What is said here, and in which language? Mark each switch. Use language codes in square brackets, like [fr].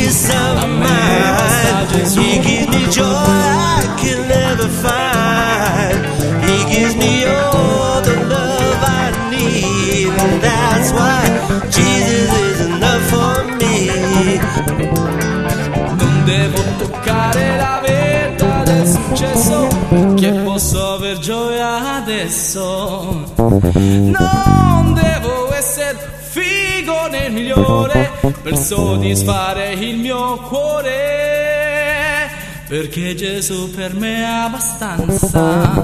[it] A me basta Gesù, a me basta Gesù. [en] He gives me joy I can never find. He gives me all the love I need. And that's why Jesus is enough for me. [it] Non devo toccare la vetta del successo, che posso aver gioia adesso. Non devo essere figo nel migliore, per soddisfare il mio cuore, perché Gesù per me è abbastanza.